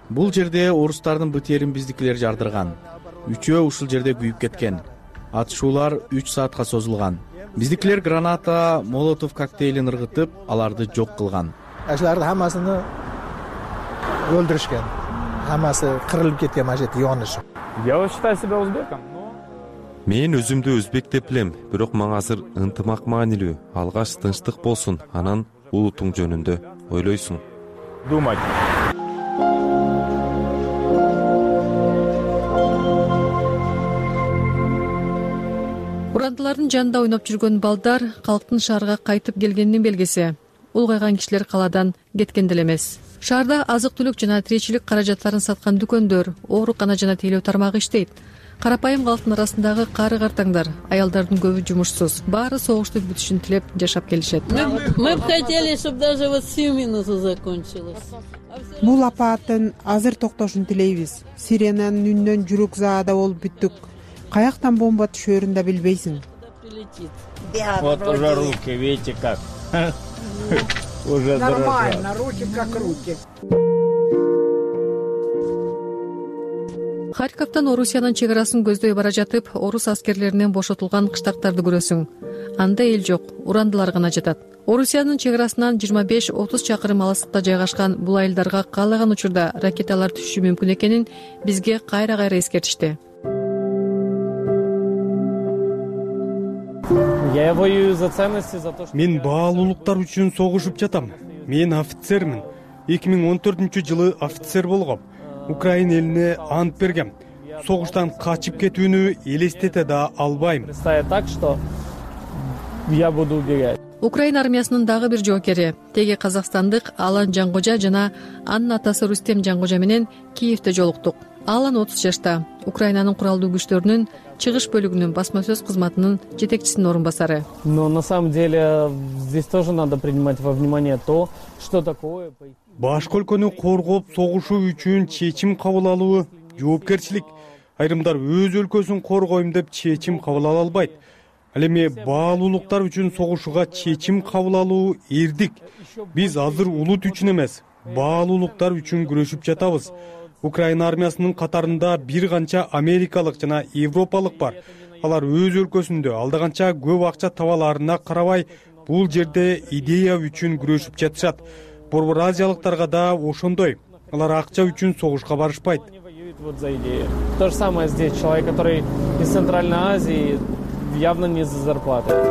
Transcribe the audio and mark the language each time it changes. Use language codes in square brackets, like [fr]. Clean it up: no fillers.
[ky] Бул жерде орустардын БТРин биздикилер жардырган. Үчөө ушул жерде күйүп кеткен. Атышуулар 3 саатка созулган. Биздикилер граната, молотов коктейлин ыргытып, аларды жок кылган. Ошолардын [uz] hammasını [ky] өлтүрүшкөн. Hammasы кырылып кеткен мажет жоныш. [ru] Я считаю себя узбеком, но [ky] мен өзүмдү өзбек деп билем, бирок мага азыр ынтымак маанилүү, алгач тынчтык болсун, анан улутуң жөнүндө ойлойсуң. [ru] Думать. [ky] Урандылардын жанында ойноп жүргөн балдар калктын шаарга кайтып келгенинин белгиси. Улгайган кишилер калаадан кеткенде эле эмес. Шаарда азык-түлүк жана тиречилик каражаттарын саткан дүкөндөр, ооруканалар жана тейлөө тармагы иштейт. Карапайым калктын арасындагы кары картаңдар, аялдардын көбү жумушсуз. Баары согушту бүтүшүн тилеп жашап келишет. [ru] Мы бы хотели, чтобы даже вот сиюминуту закончилось. [ky] Бул апааттын азыр токтошун тилейбиз. Сиренанын үнүнөн жүрөк заада болуп бүттүк. Каяктан бомба түшөрүн да билбейсиң. [ru] Вот уже руки, видите как. Нормально, руки как руки. [ky] Харьковтан Орусиянын чек арасын көздөй бара жатып, орус аскерлеринен бошотулган кыштактарды көрөсүң. Анда эл жок, урандылар гана жатат. Орусиянын чек арасынан 25-30 чакырым алыстыкта жайгашкан бул айылдарга каалаган учурда ракеталар түшүшү мүмкүн экенин бизге кайра-кайра эскертишти. [ru] Я воюю за ценности, за то, что [ky] мен баалуулуктар үчүн согушуп жатам. Мен офицермин. 2014 жылы офицер болгом. Украина элине ант бергем. Согуштан качып кетүүнү элестете да албайм. [ru] Так что я буду убегать. [ky] Украина армиясынын дагы бир жоокери, теги казакстандык Алан Жангожа жана анын атасы Рустем Жангожа менен Киевде жолуктук. Алан 30 жашта, Украинанын куралдуу күчтөрүнүн чыгыш бөлүгүнүн басма сөз кызматынын жетекчисинин орун басары. [ru] Но на самом деле здесь тоже надо принимать во внимание то, что такое. [ky] Башка өлкөнү коргоп согушуу үчүн чечим кабыл алуу жоопкерчилик. Айрымдар өз өлкөсүн коргойм деп чечим кабыл ала албайт. Ал эми баалуулуктар үчүн согушууга чечим кабыл алуу эрдик. Биз азыр улут үчүн эмес, баалуулуктар үчүн күрөшүп жатабыз. Украина армиясынын катарында бир канча америкалык жана европалык бар. Алар өз өлкөсүндө алда канча көп акча табаларына карабай, бул жерде идея үчүн күрөшүп жатышат. Борбор азиялыктарга да ошондой. Алар акча үчүн согушка барышпайт. [ru] вот за идею. То же самое здесь. Человек, который из Центральной Азии, явно не за зарплату.